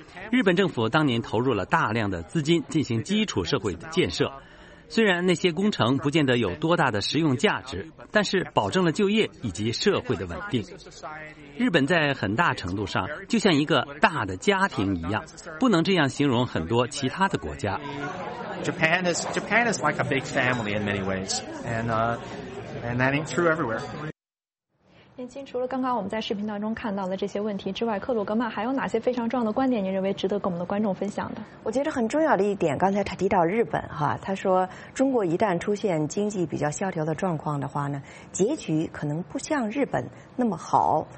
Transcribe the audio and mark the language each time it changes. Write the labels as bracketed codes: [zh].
[zh] 日本政府当年投入了大量的资金进行基础社会的建设，虽然那些工程不见得有多大的实用价值，但是保证了就业以及社会的稳定。日本在很大程度上就像一个大的家庭一样，不能这样形容很多其他的国家。 [en] Japan is like a big family in many ways, and that ain't true everywhere. [zh] 燕青，除了刚刚我们在视频当中看到的这些问题之外，克鲁格曼还有哪些非常重要的观点？您认为值得跟我们的观众分享的？我觉得很重要的一点，刚才他提到日本哈，他说中国一旦出现经济比较萧条的状况的话呢，结局可能不像日本那么好。